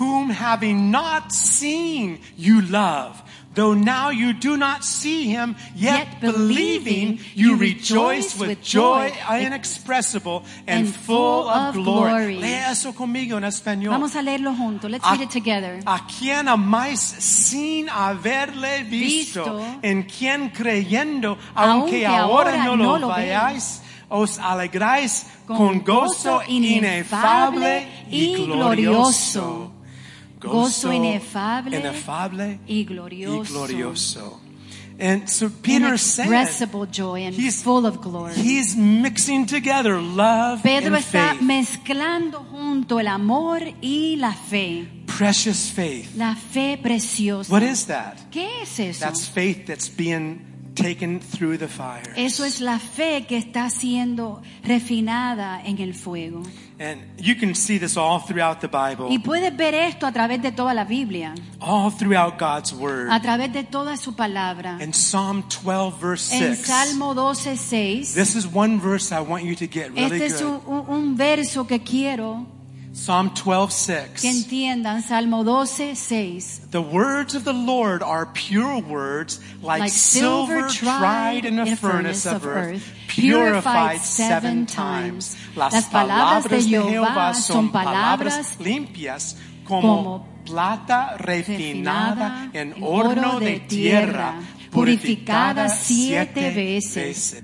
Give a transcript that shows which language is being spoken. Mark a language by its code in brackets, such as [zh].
[en] Whom having not seen you love, though now you do not see him, yet believing, you rejoice with joy inexpressible and full of glory. [es] Lea eso conmigo en español. Vamos a leerlo junto. [en] Let's read it together. [es] A quien amáis sin haberle visto, en quien creyendo, aunque ahora no lo veáis, os alegráis con gozo inefable y glorioso. Gozo inefable y glorioso. [en] And so Peter said, inexpressible joy and full of glory. He's mixing together love [es] Pedro [en] and faith. [es] Pedro está mezclando junto el amor y la fe. [en] Precious faith. [es] La fe preciosa. [en] What is that? [es] ¿Qué es eso? [en] That's faith that's being taken through the fires. [es] Eso es la fe que está siendo refinada en el fuego. [en] And you can see this all throughout the Bible. [es] Y puedes ver esto a través de toda la Biblia. [en] All throughout God's word. [es] A través de toda su palabra. [en] In Psalm 12 verse 6. [es] En Salmo 12:6. [en] This is one verse I want you to get really good. [es] Este es un verso que quiero. [en] Psalm 12:6. [es] Que entiendan Salmo 12:6. [en] The words of the Lord are pure words, like silver tried in a furnace of earth, purified seven times. [es] Las palabras de Jehová son palabras limpias como plata refinada en horno de tierra, purificada siete veces.